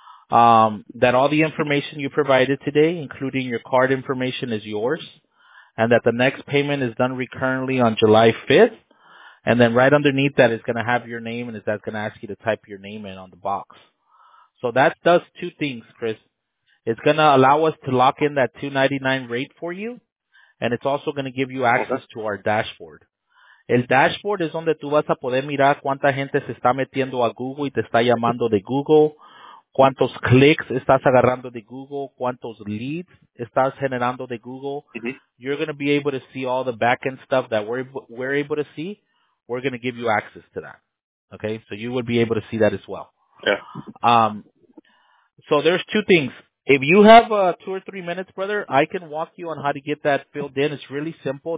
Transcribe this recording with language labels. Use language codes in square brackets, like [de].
[en] That all the information you provided today, including your card information, is yours, and that the next payment is done recurrently on July 5th, and then right underneath that is going to have your name, and is that going to ask you to type your name in on the box. So that does two things, Chris. It's going to allow us to lock in that $299 rate for you, and it's also going to give you access to our dashboard. [es] El dashboard es donde tú vas a poder mirar cuánta gente se está metiendo a Google y te está llamando de Google, cuántos clics estás agarrando de Google, cuántos leads estás generando de Google. Mm-hmm. [en] You're going to be able to see all the back-end stuff that we're able to see. We're going to give you access to that. Okay? So you will be able to see that as well. Yeah. So there's two things. If you have two or three minutes, brother, I can walk you on how to get that filled in. It's really simple.